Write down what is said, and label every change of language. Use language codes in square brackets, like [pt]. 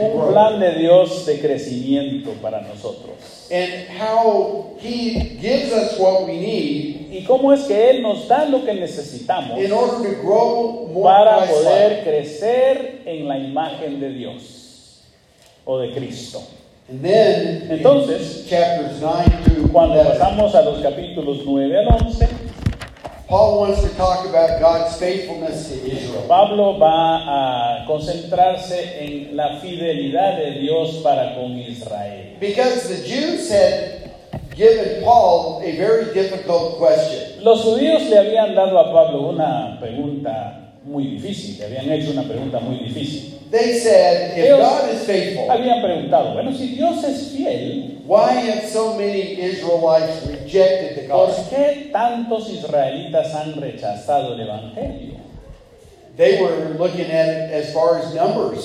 [es] un plan de Dios de crecimiento para nosotros. [en] And how he gives us what we need. [es] Y cómo es que él nos da lo que necesitamos. [en] In order to grow more [es] para poder crecer en la imagen de Dios o de Cristo. [en] And then, [es] entonces, [en] chapters 9 to 11, [es] cuando pasamos a los capítulos 9 al 11, [en] Paul wants to talk about God's faithfulness to Israel. [es] Pablo va a concentrarse en la fidelidad de Dios para con Israel. [en] Because the Jews had given Paul a very difficult question. [es] Los judíos le habían dado a Pablo una pregunta muy difícil. Le habían hecho una pregunta muy difícil. [en] They said, if [es] ellos [en] God is faithful, [es] habían preguntado, bueno, si Dios es fiel, [en] why have so many Israelites rejected the gospel? [es] ¿Por qué tantos israelitas han rechazado el evangelio? [en] They were looking at it as far as numbers.